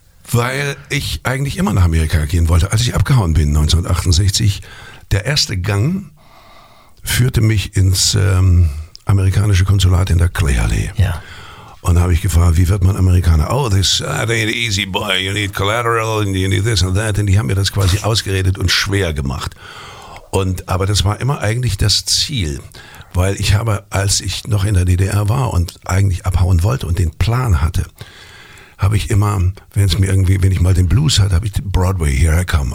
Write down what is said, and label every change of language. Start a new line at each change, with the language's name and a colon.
German: Weil ich eigentlich immer nach Amerika gehen wollte. Als ich abgehauen bin 1968, der erste Gang führte mich ins amerikanische Konsulat in der Clay Allee. Ja. Und habe ich gefragt, wie wird man Amerikaner?
English: Oh, that ain't easy, boy. You need collateral and you need this and that.
German: Und die haben mir das quasi ausgeredet und schwer gemacht. Aber das war immer eigentlich das Ziel. Weil ich habe, als ich noch in der DDR war und eigentlich abhauen wollte und den Plan hatte, habe ich immer, wenn es mir irgendwie, wenn ich mal den Blues hatte, habe ich
English: Broadway, here I come.